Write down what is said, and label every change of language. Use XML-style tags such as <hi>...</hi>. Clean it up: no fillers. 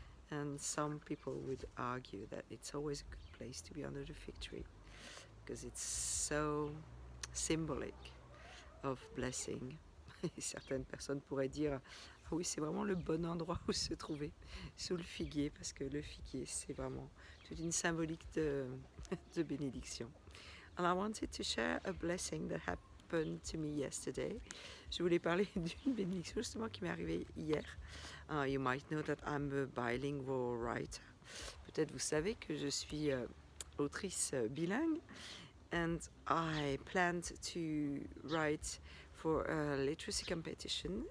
<en>And some people would argue that it's always a good place to be under the fig tree, because it's so symbolic of blessing.</en> <fr>Et certaines personnes pourraient dire, ah oui, c'est vraiment le bon endroit où se trouver, sous le figuier, parce que le figuier, c'est vraiment toute une symbolique de bénédiction.</fr> <en>And I wanted to share a blessing that happened to me yesterday.</en> <fr>Je voulais parler d'une bénédiction justement qui m'est arrivée hier.</fr> <en>You might know that I'm a bilingual writer.</en> <fr>Peut-être vous savez que je suis autrice bilingue.</fr> <en>And I planned to write for a literacy competition.</en>